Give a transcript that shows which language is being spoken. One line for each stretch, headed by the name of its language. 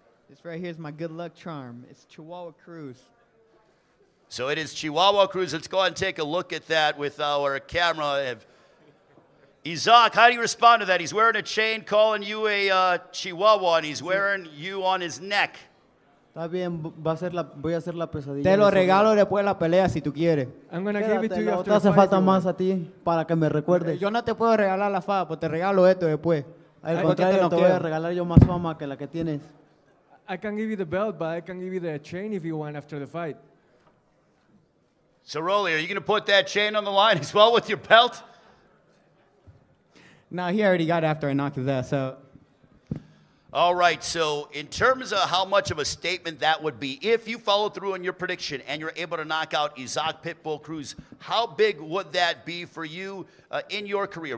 English: This right here is my good luck charm. It's Chihuahua Cruz. So it is Chihuahua Cruz. Let's go ahead and take a look at that with our camera. Isaac, how do you respond to that? He's wearing a chain calling you a chihuahua, and he's wearing you on his neck.
Spanish: Está bien, voy a hacer la pesadilla. Te lo regalo después de la pelea, si tú quieres.
English: I'm going to give it to you after the fight.
Spanish: Hace falta más a ti para que me recuerdes. Yo no te puedo regalar la fama, pues te regalo esto después. Al contrario, te voy a regalar yo más fama que la que tienes.
English: I can give you the belt, but I can give you the chain if you want after the fight. So, Rolly, are you going to put that chain on the line as well with your belt? No, he already got it after I knocked his ass out. All right, so in terms of how much of a statement that would be, if you follow through on your prediction and you're able to knock out Isaac Pitbull Cruz, how big would that be for you in your career?